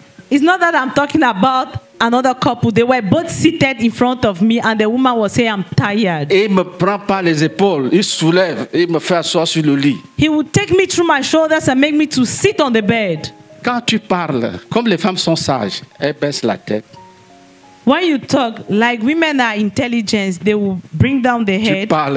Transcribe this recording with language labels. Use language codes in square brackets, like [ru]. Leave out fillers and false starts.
[en] It's not that I'm talking about another couple. They were both seated in front of me and the woman was saying, I'm tired. [fr] Et il me prend par les épaules, il soulève, il me fait asseoir sur le lit. [en] He would take me through my shoulders and make me to sit on the bed. [fr] Quand tu parles, comme les femmes sont sages, elles baissent la tête. [en] When you talk, like women are intelligent, they will bring down the head.